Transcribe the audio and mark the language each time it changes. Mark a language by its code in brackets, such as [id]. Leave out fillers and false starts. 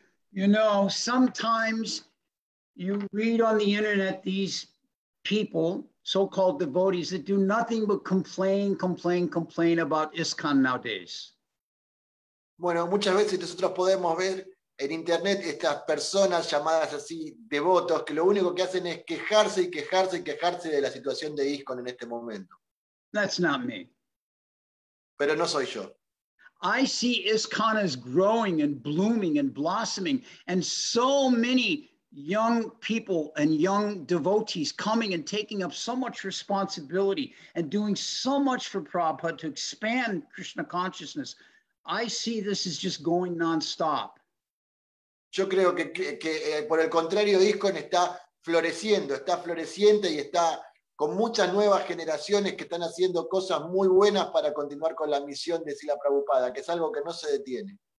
[en] You know, sometimes you read on the internet these people, so-called devotees, that do nothing but complain about ISKCON nowadays. [es] Bueno, muchas veces nosotros podemos ver en internet estas personas llamadas así devotos que lo único que hacen es quejarse de la situación de ISKCON en este momento. [en] That's not me. [es] Pero no soy yo. [en] I see ISKCON as growing and blooming and blossoming, and so many young people and young devotees coming and taking up so much responsibility and doing so much for Prabhupada to expand Krishna consciousness. I see this is just going non-stop. [es] Yo creo que por el contrario, ISKCON está floreciendo y está con muchas nuevas generaciones que están haciendo cosas muy buenas para continuar con la misión de Srila Prabhupada, que es algo que no se detiene.